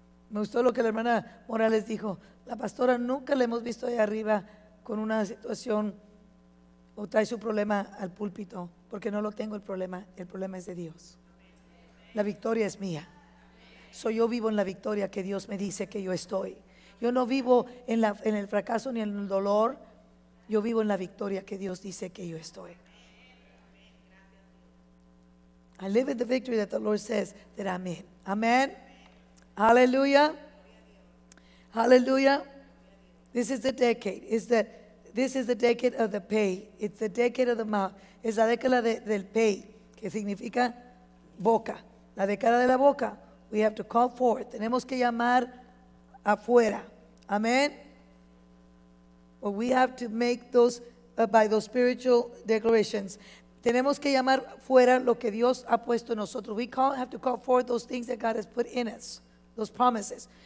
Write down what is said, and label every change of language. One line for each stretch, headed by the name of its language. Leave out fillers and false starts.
Spanish: Me gustó lo que la hermana Morales dijo. La pastora nunca la hemos visto ahí arriba con una situación o trae su problema al púlpito, porque no lo tengo el problema. El problema es de Dios. La victoria es mía. Soy yo, vivo en la victoria que Dios me dice que yo estoy. Yo no vivo en el fracaso ni en el dolor. Yo vivo en la victoria que Dios dice que yo estoy.
English: I live in the victory that the Lord says that I'm in. Amen. Hallelujah. Hallelujah. This is the decade. This is the decade of the pay. It's the decade of the mouth.
Spanish: Es la década del pay, que significa boca. La década de la boca.
English: We have to call forth.
Spanish: Tenemos que llamar afuera. Amen.
English: Well, we have to make those by those spiritual declarations.
Spanish: Tenemos que llamar fuera lo que Dios ha puesto en nosotros.
English: We have to call forth those things that God has put in us, those promises.